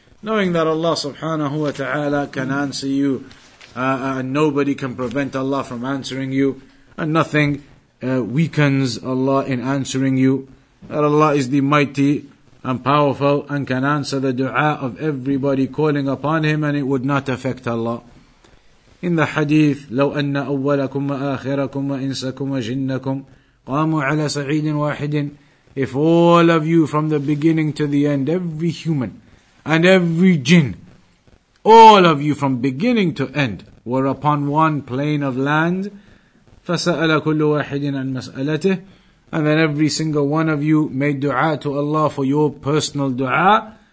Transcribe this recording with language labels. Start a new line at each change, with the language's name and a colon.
English: Knowing that Allah subhanahu wa ta'ala can answer you, and nobody can prevent Allah from answering you, and nothing weakens Allah in answering you. That Allah is the mighty and powerful and can answer the dua of everybody calling upon Him, and it would not affect Allah. In the hadith,
Arabic: لو أن أولكم وآخركم وإنسكم وجنكم قاموا على سعيد واحد.
English: If all of you from the beginning to the end, every human and every jinn, all of you from beginning to end were upon one plane of land,
Arabic: فَسَأَلَ كُلُّ وَاحِدٍ عَنْ مَسْأَلَتِهِ.
English: And then every single one of you made dua to Allah for your personal dua.